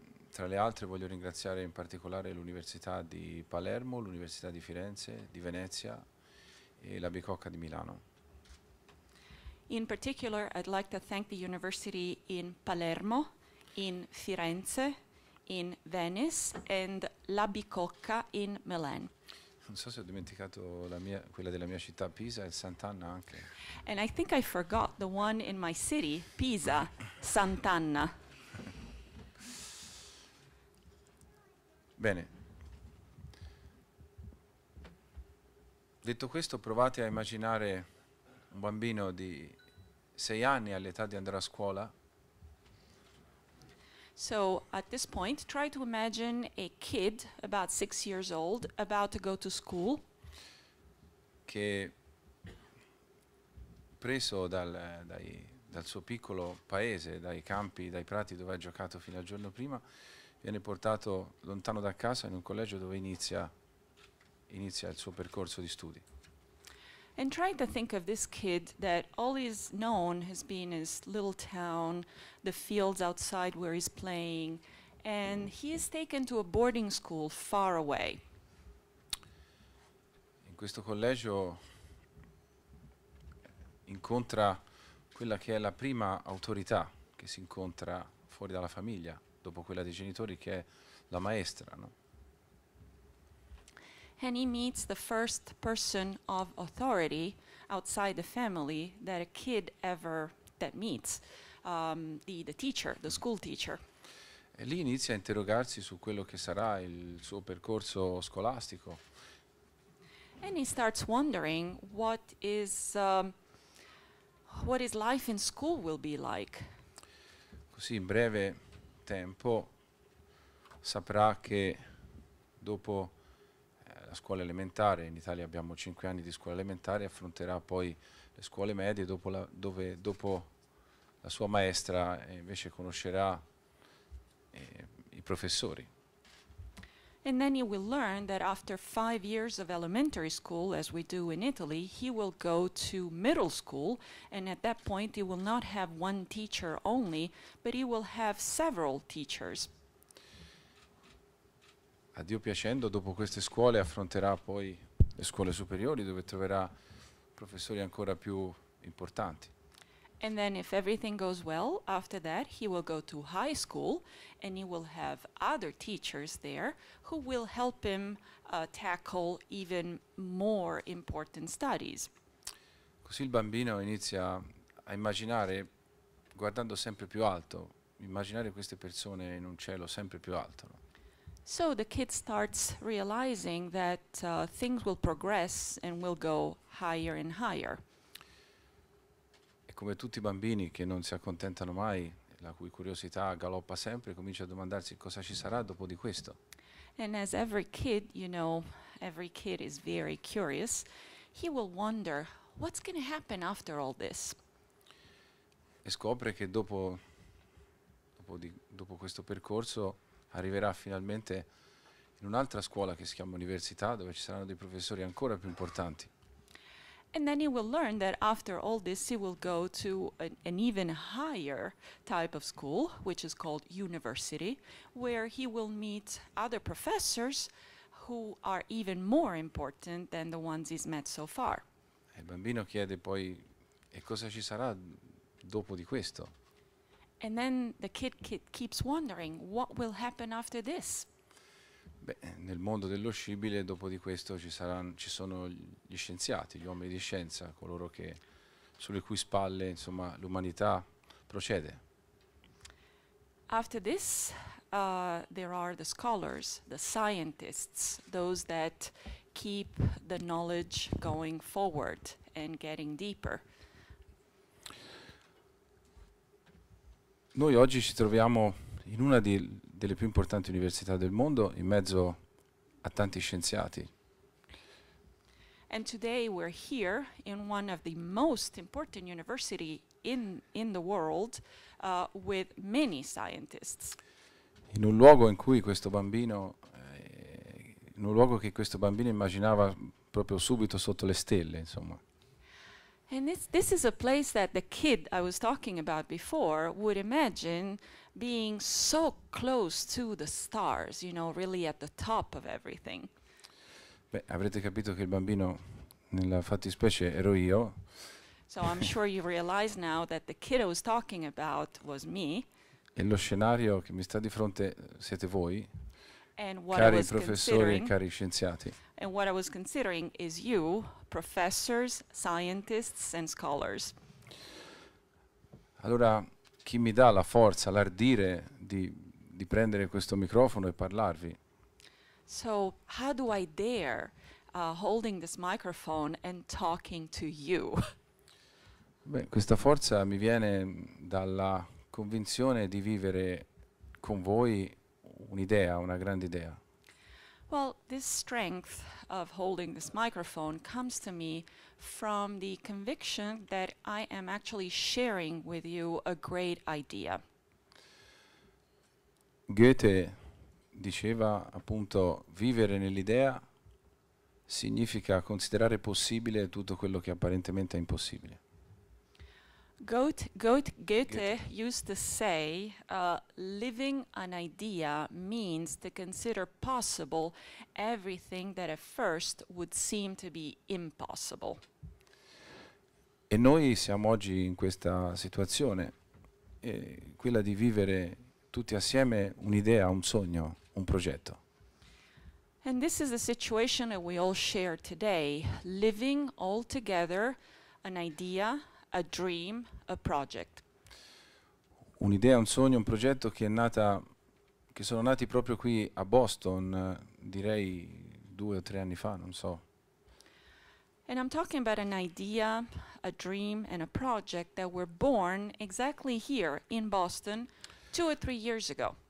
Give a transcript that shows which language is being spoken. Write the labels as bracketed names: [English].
[Italian] Tra le altre voglio ringraziare in particolare l'Università di Palermo, l'Università di Firenze, di Venezia e la Bicocca di Milano. [English] In particular, I'd like to thank the university in Palermo, in Firenze, in Venice and la Bicocca in Milan. [Italian] Non so se ho dimenticato quella della mia città, Pisa, e Sant'Anna anche. [English] And I think I forgot the one in my city, Pisa, Sant'Anna. [Italian] Bene. Detto questo, provate a immaginare un bambino di 6 anni all'età di andare a scuola. [English] So, at this point, try to imagine a kid about 6 years old about to go to school. [Italian] Che preso dal suo piccolo paese, dai campi, dai prati dove ha giocato fino al giorno prima, viene portato lontano da casa in un collegio dove inizia il suo percorso di studi. [English] And try to think of this kid that all he's known has been his little town, the fields outside where he's playing, and he is taken to a boarding school far away. [Italian] In questo collegio incontra quella che è la prima autorità che si incontra fuori dalla famiglia, dopo quella dei genitori, che è la maestra, no? [English] And he meets the first person of authority outside the family that a kid ever meets, the teacher, the school teacher. [Italian] E lì inizia a interrogarsi su quello che sarà il suo percorso scolastico. [English] And he starts wondering what his life in school will be like. [Italian] Così in breve tempo saprà che dopo la scuola elementare, in Italia abbiamo 5 anni di scuola elementare, affronterà poi le scuole medie dopo la sua maestra invece conoscerà i professori. [English] And then he will learn that after 5 years of elementary school, as we do in Italy, he will go to middle school, and at that point he will not have one teacher only, but he will have several teachers. [Italian] A Dio piacendo, dopo queste scuole affronterà poi le scuole superiori, dove troverà professori ancora più importanti. [English] And then if everything goes well, after that he will go to high school and he will have other teachers there who will help him tackle even more important studies. [Italian] Così il bambino inizia a immaginare, guardando sempre più alto, immaginare queste persone in un cielo sempre più alto. No? [English] So the kid starts realizing that things will progress and will go higher and higher. [Italian] Come tutti i bambini che non si accontentano mai, la cui curiosità galoppa sempre, comincia a domandarsi cosa ci sarà dopo di questo. [English] And as every kid, you know, every kid is very curious, he will wonder what's going to happen after all this. [Italian] E scopre che dopo questo percorso arriverà finalmente in un'altra scuola che si chiama Università, dove ci saranno dei professori ancora più importanti. [English] And then he will learn that after all this he will go to an even higher type of school, which is called university, where he will meet other professors who are even more important than the ones he's met so far. [Italian] Il bambino chiede poi, e cosa ci sarà dopo di questo? [English] And then the kid keeps wondering, what will happen after this? [Italian] Beh, nel mondo dello scibile, dopo di questo ci sono gli scienziati, gli uomini di scienza, coloro che sulle cui spalle, insomma, l'umanità procede. [English] After this, there are the scholars, the scientists, those that keep the knowledge going forward and getting deeper. [Italian] Noi oggi ci troviamo in una delle più importanti università del mondo, in mezzo a tanti scienziati. [English] And today we're here in one of the most important university in the world with many scientists. [Italian] In un luogo in cui questo bambino in un luogo che questo bambino immaginava proprio subito sotto le stelle, insomma. [English] And this is a place that the kid I was talking about before would imagine being so close to the stars, you know, really at the top of everything. [Italian] Beh, avrete capito che il bambino, nella fattispecie, ero io. [English] So I'm sure you realize now that the kid I was talking about was me. [Italian] E lo scenario che mi sta di fronte siete voi, [English] and what [Italian] cari [English] I was [Italian] professori e cari scienziati. [English] And what I was considering is you, professors, scientists and scholars. [Italian] Allora, chi mi dà la forza, l'ardire di prendere questo microfono e parlarvi? [English] So, how do I dare holding this microphone and talking to you? [Italian] Beh, questa forza mi viene dalla convinzione di vivere con voi un'idea, una grande idea. [English] Well, this strength of holding this microphone comes to me from the conviction that I am actually sharing with you a great idea. [Italian] Goethe diceva appunto, vivere nell'idea significa considerare possibile tutto quello che apparentemente è impossibile. [English] Goethe used to say, living an idea means to consider possible everything that at first would seem to be impossible. [Italian] E noi siamo oggi in questa situazione, quella di vivere tutti assieme un'idea, un sogno, un progetto. [English] And this is a situation that we all share today, living all together an idea, a dream, a project. [Italian] Un'idea, un sogno, un progetto che è nata che sono nati proprio qui a Boston, direi 2 o 3 anni fa, non so. [English] And I'm talking about an idea, a dream and a project that were born exactly here in Boston 2 or 3 years ago.